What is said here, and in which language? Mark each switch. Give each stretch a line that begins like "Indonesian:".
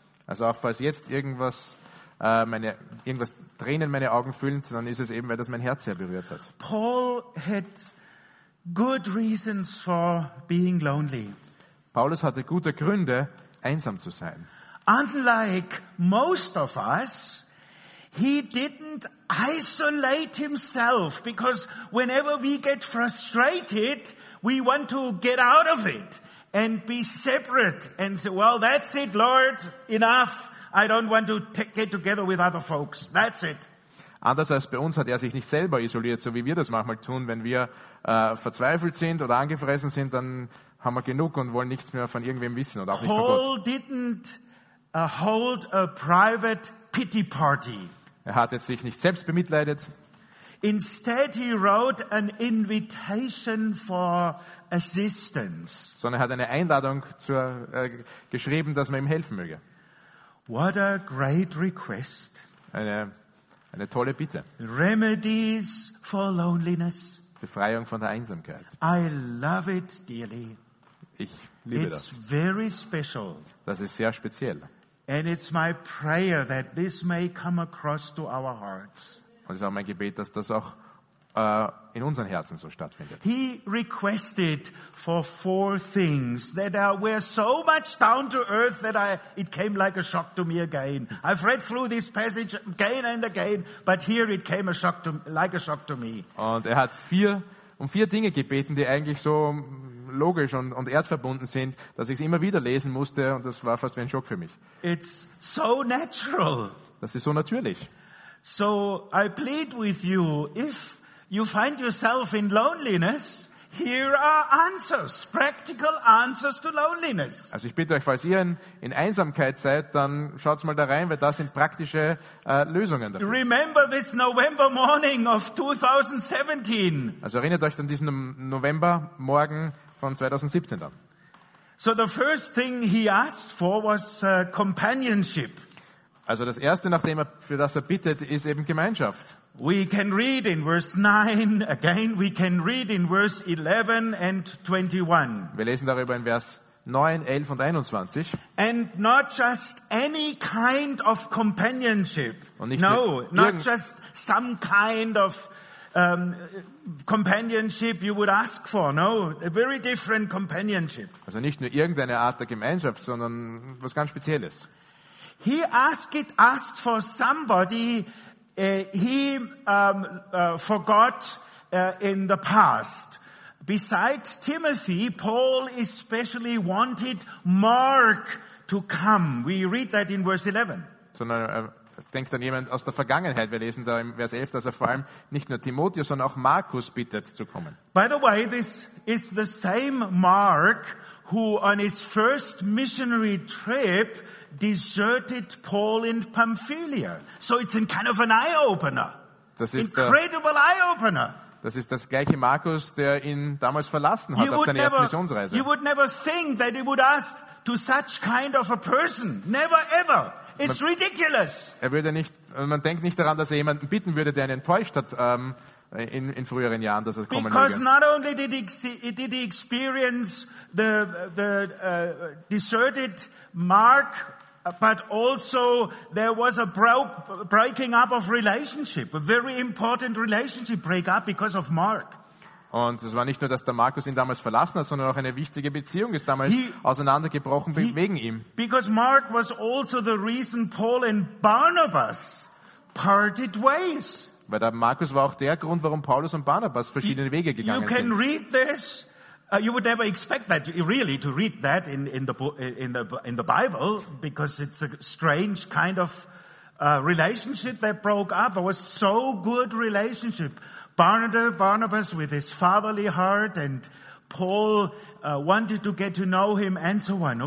German: Also auch falls jetzt irgendwas meine irgendwas Tränen in meine Augen füllen, dann ist es eben, weil das mein Herz sehr berührt hat.
English: Paul had good reasons for being lonely.
German: Paulus hatte gute Gründe, einsam zu sein.
English: Unlike most of us, he didn't isolate himself, because whenever we get frustrated, we want to get out of it and be separate and say, well, that's it, Lord, enough. I don't want to get together with other folks. That's it.
German: Anders als bei uns hat er sich nicht selber isoliert, so wie wir das manchmal tun. Wenn wir verzweifelt sind oder angefressen sind, dann haben wir genug und wollen nichts mehr von irgendwem wissen oder auch
English: Paul
German: nicht von Gott.
English: Didn't hold a private pity party.
German: Er hat jetzt sich nicht selbst bemitleidet.
English: Instead he wrote an invitation for assistance.
German: Sondern er hat eine Einladung zur, geschrieben, dass man ihm helfen möge.
English: What a great request.
German: Eine tolle Bitte.
English: Remedies for loneliness.
German: Befreiung von der Einsamkeit.
English: I love it dearly.
German: Ich liebe
English: it's
German: das.
English: It's very special.
German: Das ist sehr speziell.
English: And it's my prayer that this may come across to our hearts.
German: Und es ist auch mein Gebet, dass das auch in unseren Herzen so stattfindet.
English: He requested for four things that were so much down to earth that it came like a shock to me again. I've read through this passage again and again, but here it came like a shock to me.
German: Und er hat vier Dinge gebeten, die eigentlich so logisch und erdverbunden sind, dass ich es immer wieder lesen musste, und das war fast wie ein Schock für mich.
English: It's so natural.
German: Das ist so natürlich.
English: So I plead with you, if you find yourself in loneliness, here are answers, practical answers to loneliness.
German: Also ich bitte euch, falls ihr in Einsamkeit seid, dann schaut's mal da rein, weil das sind praktische Lösungen dafür.
English: Remember this November morning of 2017.
German: Also erinnert euch an diesen Novembermorgen von 2017 dann.
English: So the first thing he asked for was companionship.
German: Also das erste, nachdem er für das er bittet, ist eben Gemeinschaft.
English: We can read in verse 9 again. We can read in verse 11 and 21.
German: Wir lesen darüber in Vers 9, 11 und 21.
English: And not just any kind of companionship. No, not just some kind of companionship you would ask for. No, a very different companionship.
German: Also nicht nur irgendeine Art der Gemeinschaft, sondern was ganz Spezielles.
English: He asked for somebody he forgot in the past. Besides Timothy, Paul especially wanted Mark to come. We read that in verse 11.
German: Sondern denkt an jemand aus der Vergangenheit. Wir lesen da im Vers 11, dass er vor allem nicht nur Timotheus, sondern auch Markus bittet zu kommen.
English: By the way, this is the same Mark who on his first missionary trip deserted Paul in Pamphylia. So it's a kind of an eye-opener.
German: Das ist
English: incredible eye-opener.
German: Das ist das gleiche Markus, der ihn damals verlassen hat auf seiner ersten Missionsreise.
English: You would never think that he would ask to such kind of a person. Never ever. It's ridiculous.
German: Man denkt nicht daran, dass er jemanden bitten würde, der ihn enttäuscht hat in früheren Jahren, dass er kommen würde.
English: Because not only did he experience the deserted Mark, but also there was a breaking up of relationship, a very important relationship break up because of Mark.
German: Und es war nicht nur, dass der Markus ihn damals verlassen hat, sondern auch eine wichtige Beziehung ist damals auseinandergebrochen wegen ihm.
English: Because Mark was also the reason Paul and Barnabas parted ways.
German: Weil der Markus war auch der Grund, warum Paulus und Barnabas verschiedene Wege gegangen sind.
English: You can read this. You would never expect that, really, to read that in the Bible, because it's a strange kind of relationship that broke up. It was so good relationship. Barnabas with his fatherly heart, and Paul wanted to get to know him, and so on.